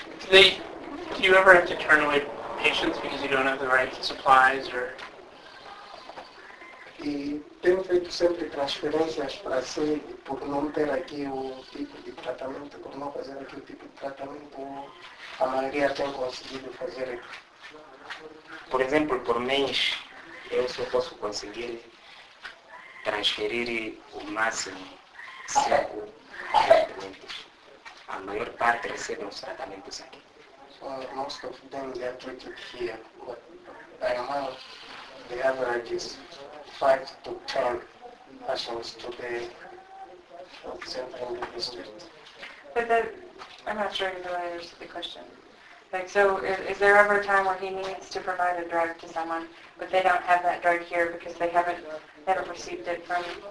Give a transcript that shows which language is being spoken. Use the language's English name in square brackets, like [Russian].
[English] Do you ever have to turn away patients because you don't have the right supplies or... [Portuguese] E tenho feito sempre transferências para si por não ter aqui o tipo de tratamento, por não fazer aqui o tipo de tratamento, a maioria tem conseguido fazer aqui. Por exemplo, por mês, eu só posso conseguir transferir o máximo 5 doentes. A maior parte recebe os tratamentos aqui. [English] Most of them are treated here, but by now, the average is 5 to 10 patients to the central district. But that, I'm not sure if I understood the question. Like, so is there ever a time where he needs to provide a drug to someone, but they don't have that drug here because they haven't received it from...